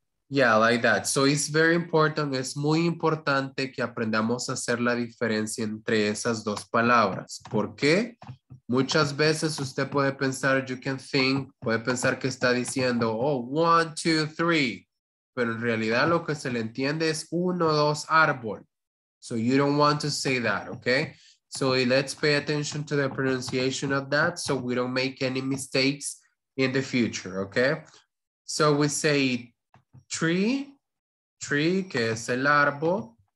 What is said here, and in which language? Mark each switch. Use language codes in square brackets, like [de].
[en] Yeah, like that. So it's very important, [es] es muy importante que aprendamos a hacer la diferencia entre esas dos palabras. ¿Por qué? Muchas veces usted puede pensar, [en] you can think, [es] puede pensar que está diciendo, [en] oh, one, two, three. [es] Pero en realidad lo que se le entiende es uno, dos, árbol. [en] So you don't want to say that, okay? So let's pay attention to the pronunciation of that so we don't make any mistakes in the future, okay? So we say tree, que es el árbol.